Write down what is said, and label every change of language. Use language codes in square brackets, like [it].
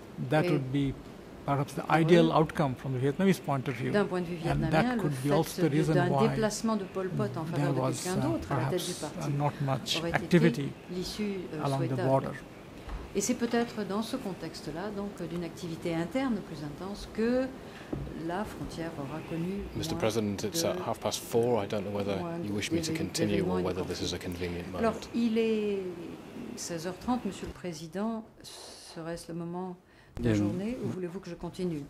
[en] That would be perhaps the ideal outcome from the Vietnamese point of view. [fr] D'un point de vue [en] and that could be also the reason why [fr] de Pol Pot en [en] there was perhaps not much activity along the border. [fr] Et c'est peut-être dans ce contexte-là, donc d'une activité interne plus intense, que la frontière aura connu. [en] Mr. President, it's at 4:30. I don't know whether you wish me to continue or whether this is a convenient moment. [fr] Alors, il est 16:30, Monsieur le Président. Serait-ce le moment de journée, ou voulez-vous que je continue?